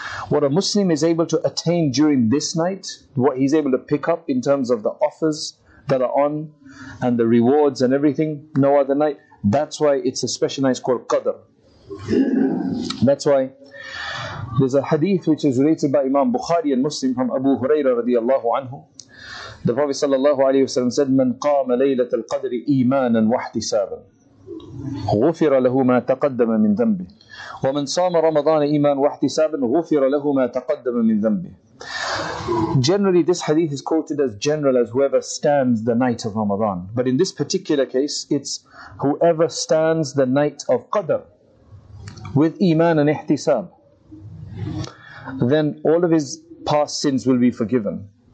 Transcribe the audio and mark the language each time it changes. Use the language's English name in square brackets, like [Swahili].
[English] What a Muslim is able to attain during this night, what he's able to pick up in terms of the offers that are on and the rewards and everything, no other night. That's why it's a special night called Qadr. That's why there's a hadith which is related by Imam Bukhari and Muslim from Abu Huraira radiallahu anhu. The Prophet sallallahu alayhi wa sallam said, [Arabic] من قام ليلة القدر إيمانا واحتسابا غفر له ما تقدم من ذنبه ومن صام رمضان إيمان واحتسابا غفر له ما تقدم من ذنبه. [English] Generally, this hadith is quoted as general as whoever stands the night of Ramadan. But in this particular case, it's whoever stands the night of Qadr with Iman and Ihtisab, then all of his past sins will be forgiven.